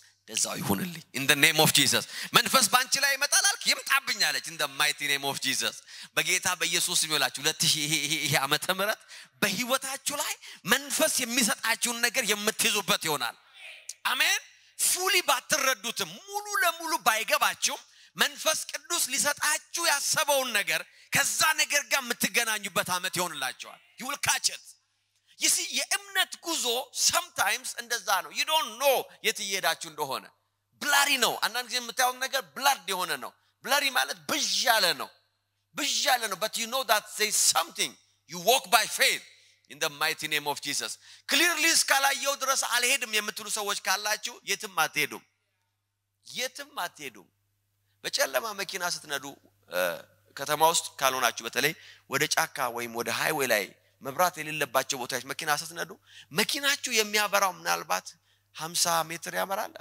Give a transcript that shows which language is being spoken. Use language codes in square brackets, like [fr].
[am] ደዛው ይሁንልኝ [en] in the name of jesus [am] መንፈስ ባንቺ ላይ መጣላልክ ይምጣብኝ አለች [en] in the mighty name of jesus [am] በጌታ በኢየሱስ ስም ይወላችሁ 2000 ዓመተ ምህረት በህይወታችሁ ላይ መንፈስ የሚሰጣችሁን ነገር የምትይዙበት ይሆናል አሜን ፉሊ ባትረዱት ሙሉ ለሙሉ ባይገባችሁ መንፈስ ቅዱስ ሊሰጣችሁ ያሰበውን ነገር ከዛ ነገር ጋር የምትገናኙበት አመት ይሆንላችኋል [en] you will catch it You see, [am] የእምነት ጉዞ sometimes እንደዛ ነው. [en] You don't know [am] የት እየሄዳችሁ እንደሆነ. Blurry ነው. አንዳንድ ጊዜ የምታየው ነገር blurred የሆነ ነው. Blurry ማለት ብዣለ ነው. ብዣለ ነው. [en] But you know that says something. You walk by faith in the mighty name of Jesus. [am] Clearly ስካላየው ድረስ አልሄድም የምትሉ ሰዎች ካላችሁ የትም አትሄዱም. የትም አትሄዱም. በጨለማ መኪና ስትነዱ ከተማ ውስጥ ካልሆናችሁ በተለይ ወደ ጫካ ወይም ወደ ሃይዌይ ላይ መብራት የሌለባቸው ቦታዎች መኪና ስትነዱ መኪናችሁ የሚያበራው ምናልባት 50 ሜትር ያበራል?